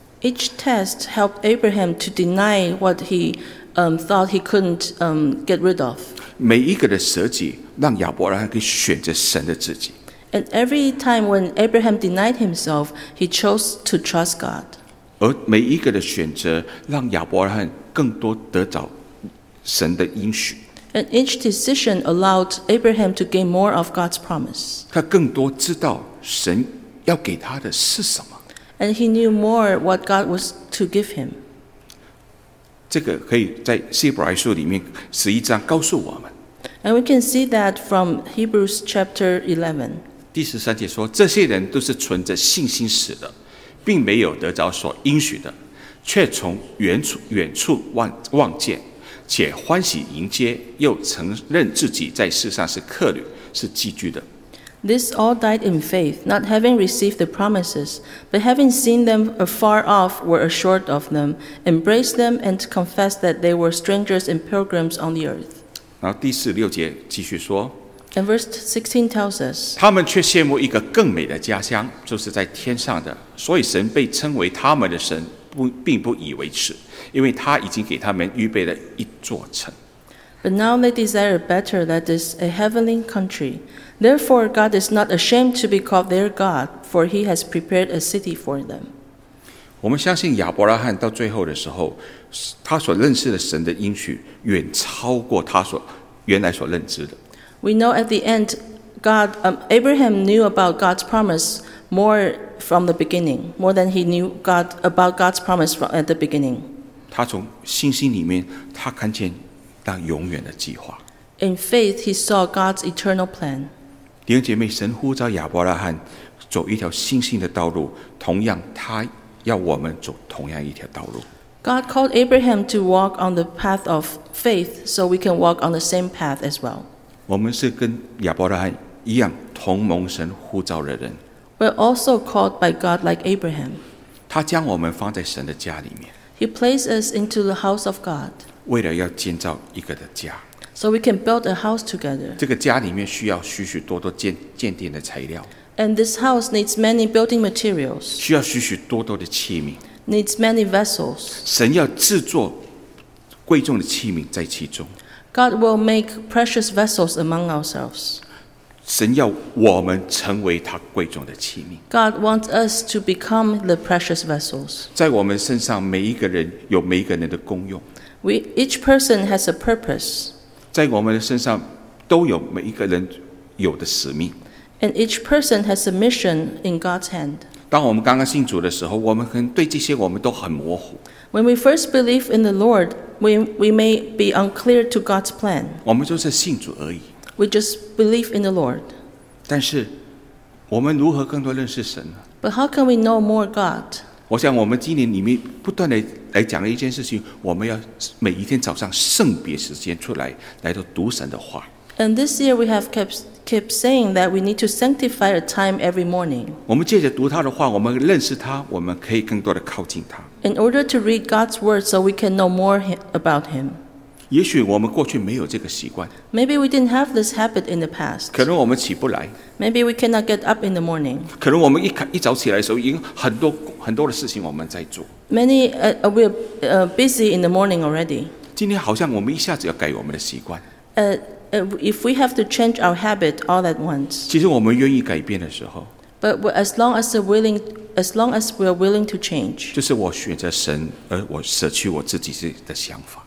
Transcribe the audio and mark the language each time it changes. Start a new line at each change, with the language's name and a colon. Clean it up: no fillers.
English: Each test helped Abraham to deny what he thought he couldn't get rid of.
Chinese: 每一个的舍己让亚伯拉罕可以选择神的自己。
English: And every time when Abraham denied himself, he chose to trust God.
Chinese: 而每一个的选择让亚伯拉罕更多得着神的应许。
English: And each decision allowed Abraham to gain more of God's promise.
Chinese: 他更多知道神要给他的是什么。
English: And he knew more what God was to give him.
Chinese: 这个可以在希伯来书里面十一章告诉我们。
English: And we can see that from Hebrews chapter 11.
Chinese: 第十三节说，这些人都是存着信心死的，并没有得着所应许的，却从远处 望见，且欢喜迎接，又承认自己在世上是客旅，是寄居的。
English: This all died in faith, not having received the promises, but having seen them afar off, were assured of them, embraced them, and confessed that they were strangers and pilgrims on the earth.
Chinese: 然后第十六节继续说。
English: And verse 16 tells us,
Chinese: 他们却羡慕一个更美的家乡，就是在天上的。所以神被称为他们的神，并不以为耻，因为他已经给他们预备了一座城。
English: But now they desire better, that is, a heavenly country. Therefore, God is not ashamed to be called their God, for he has prepared a city for them.
Chinese: 我们相信亚伯拉罕到最后的时候，他所认识的神的应许远超过他所原来所认知的。
English: We know at the end, Abraham knew about God's promise more from the beginning, more than he knew about God's promise from at the beginning.
Chinese: 他从信心里面，他看见那永远的计划。
English: In faith, he saw God's eternal plan.
Chinese: 弟兄姐妹，神呼召亚伯拉罕走一条信心的道路，同样，他要我们走同样一条道路。
English: God called Abraham to walk on the path of faith, so we can walk on the same path as well.
Chinese: 我们是跟亚伯拉罕一样同蒙神呼召的人。
English: We're also called by God like Abraham.
Chinese: 他将我们放在神的家里面。
English: He placed us into the house of God.
Chinese: 为了要建造一个的家。
English: So we can build a house together.
Chinese: 这个家里面需要许许多多建殿的材料。
English: And this house needs many building materials.
Chinese: 需要许许多多的器皿。
English: Needs many vessels.
Chinese: 神要制作贵重的器皿在其中。
English: God will make precious vessels among ourselves.
Chinese: 神要我们成为他贵重的器皿。
English: God wants us to become the precious vessels.
Chinese: 在我们身上，每一个人有每一个人的功用。
English: Each person has a purpose.
Chinese: 在我们的身上，都有每一个人有的使命。
English: And each person has a mission in God's hand.
Chinese: 当我们刚刚信主的时候，我们可能对这些我们都很模糊。
English: When we first believe in the Lord, we may be unclear to God's plan.
Chinese: 我们就是信主而已。
English: We just believe in the Lord.
Chinese: 但是我们如何更多认识神呢？
English: But how can we know more God?
Chinese: 我想我们今年里面不断地来讲的一件事情，我们要每一天早上圣别时间出来，来到读神的话。
English: And this year we have kept saying that we need to sanctify a time every morning.
Chinese: 我们借着读他的话，我们认识他，我们可以更多地靠近他。
English: In order to read God's word so we can know more about him.
Chinese: 也许我们过去没有这个习惯。
English: Maybe we didn't have this habit in the past.
Chinese: 可能我们起不来。
English: Maybe we cannot get up in the morning.
Chinese: 可能我们一早起来的时候，已经很多的事情我们在做。
English: We're busy in the morning already.
Chinese: 今天好像我们一下子要改我们的习惯。
English: If we have to change our habit all at once.
Chinese: 其实我们愿意改变的时候。
English: But as long as we are willing to change.
Chinese: 就是我选择神，而我舍去我自己的想法。